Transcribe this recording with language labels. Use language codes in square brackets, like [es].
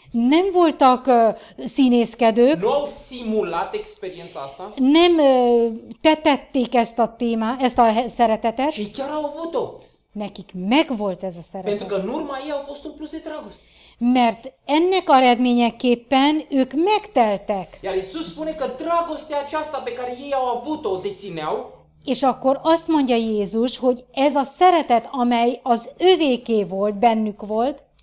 [hu] nem voltak színészkedők, [ro] n-au simulat experiența asta, [hu] nem tetették ezt a téma, ezt a szeretetet, [ro] și chiar au avut-o. [hu] Nekik megvolt ez a szeretet. [ro] Pentru că în urma ei au fost un plus de dragoste. [hu] Mert ennek eredményeképpen ők megteltek. [ro] Iar Iisus spune că dragostea aceasta pe care ei au avut-o, dețineau, [hu] és akkor azt mondja Jézus, hogy ez a szeretet, amely az övéké volt, bennük volt,